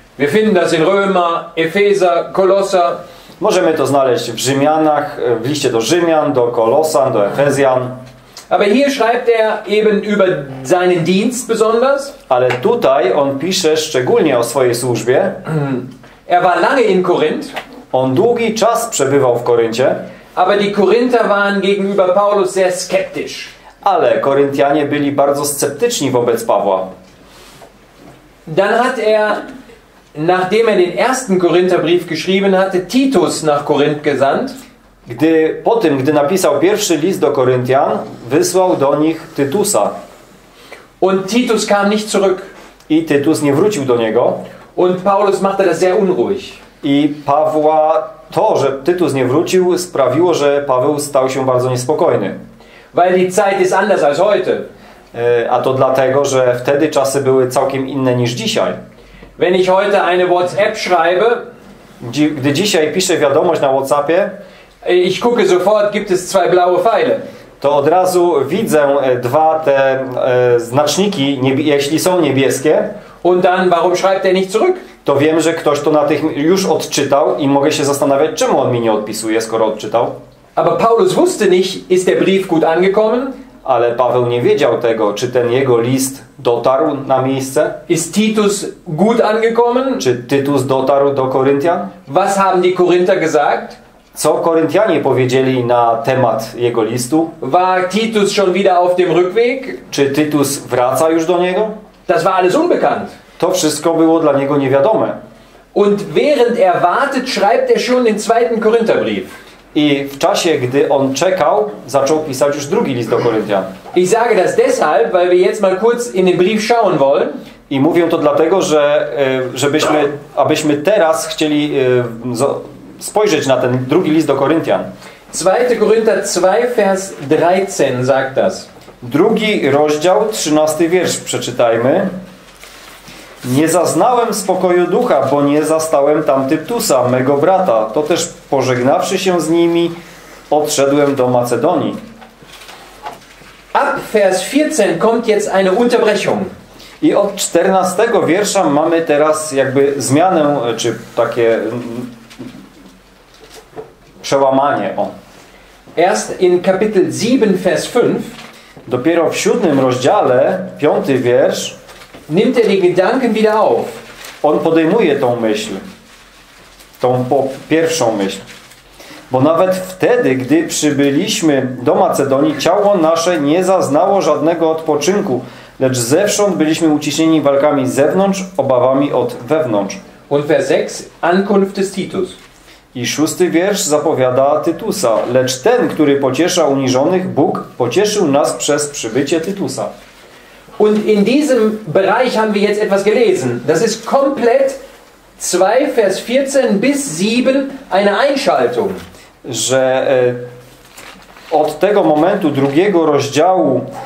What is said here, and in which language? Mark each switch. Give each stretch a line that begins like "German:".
German: Wir finden das in Römer, Epheser, Kolosser.
Polish: Możemy to znaleźć w Rzymianach, w liście do Rzymian, do Kolosan, do Efezjan.
German: Aber hier schreibt er eben über seinen Dienst besonders.
Polish: Ale tutaj on pisze szczególnie o swojej służbie.
German: Er war lange in Korinth.
Polish: On długi czas przebywał w Koryncie.
German: Aber die Korinther waren gegenüber Paulus sehr skeptisch.
Polish: Ale Koryntianie byli bardzo sceptyczni wobec Pawła.
German: Dann hat er, nachdem er den ersten Korintherbrief geschrieben hatte, Titus nach Korinth gesandt.
Polish: Gdy po tym, gdy napisał pierwszy list do Koryntian, wysłał do nich Tytusa.
German: Und Titus kam nicht zurück.
Polish: I Tytus nie wrócił do niego.
German: Und Paulus machte das sehr unruhig.
Polish: I Pawła, to, że Tytus nie wrócił, sprawiło, że Paweł stał się bardzo niespokojny.
German: Weil die Zeit ist anders als heute.
Polish: A to dlatego, że wtedy czasy były całkiem inne niż dzisiaj.
German: Wenn ich heute eine WhatsApp schreibe,
Polish: gdy dzisiaj piszę wiadomość na WhatsAppie,
German: ich gucke sofort, gibt es zwei blaue Pfeile.
Polish: To od razu widzę dwa te znaczniki, jeśli są niebieskie.
German: Und dann, warum schreibt er nicht zurück?
Polish: To wiem, że ktoś to już odczytał i mogę się zastanawiać, czemu on mi nie odpisuje, skoro odczytał.
German: Aber Paulus wusste nicht, ist der Brief gut angekommen?
Polish: Ale Paweł nie wiedział tego, czy ten jego list dotarł na miejsce.
German: Ist Titus gut angekommen?
Polish: Czy Tytus dotarł do Koryntian?
German: Was haben die Korinther gesagt?
Polish: Co Koryntianie powiedzieli na temat jego listu?
German: War Titus schon wieder auf dem Rückweg?
Polish: Czy Tytus wraca już do niego?
German: Das war alles unbekannt.
Polish: To wszystko było dla niego niewiadome.
German: Und während er wartet, schreibt er schon den zweiten Korintherbrief.
Polish: I w czasie, gdy on czekał, zaczął pisać już drugi list do Koryntian.
German: Ich sage das deshalb, weil wir jetzt mal kurz in den Brief schauen wollen.
Polish: I mówię to dlatego, że abyśmy teraz chcieli spojrzeć na ten drugi list do Koryntian.
German: 2 Korinther 2, Vers 13 sagt das.
Polish: Drugi rozdział, 13 wiersz przeczytajmy. Nie zaznałem spokoju ducha, bo nie zastałem tam Tytusa, mego brata. Toteż pożegnawszy się z nimi, odszedłem do Macedonii.
German: Ab Vers 14 kommt jetzt eine Unterbrechung.
Polish: I od 14 wiersza mamy teraz jakby zmianę, czy takie przełamanie. O.
German: Erst in Kapitel 7, Vers 5.
Polish: Dopiero w 7 rozdziale, 5 wiersz,
German: nimmt er die Gedanken wieder auf.
Polish: On podejmuje tą myśl. Tą pierwszą myśl. Bo nawet wtedy, gdy przybyliśmy do Macedonii, ciało nasze nie zaznało żadnego odpoczynku, lecz zewsząd byliśmy uciśnieni walkami z zewnątrz, obawami od wewnątrz.
German: Und Vers 6, Ankunft des Titus.
Polish: I 6 wiersz zapowiada Tytusa. Lecz ten, który pociesza uniżonych, Bóg pocieszył nas przez przybycie Tytusa.
German: Und in diesem Bereich haben wir jetzt etwas gelesen. Das ist komplett 2 Vers 14 bis 7 eine Einschaltung.
Polish: Że od tego momentu drugiego rozdziału